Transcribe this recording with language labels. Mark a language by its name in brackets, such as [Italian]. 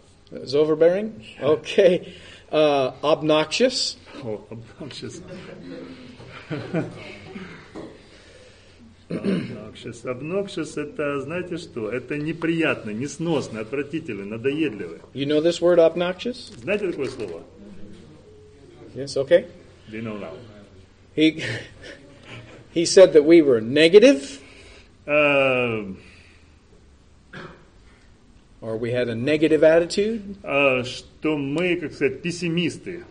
[English] Is overbearing? Okay. Obnoxious. Oh, obnoxious. Obnoxious. [Russian] Obnoxious – это, знаете что? Это неприятно, несносно, отвратительно, надоедливо. [English] You know this word, obnoxious? [Russian] Знаете такое слово? [English] Yes, okay. Do you know now? He said that we were negative. Or we had a negative attitude. [Russian] Что мы, как сказать, пессимисты.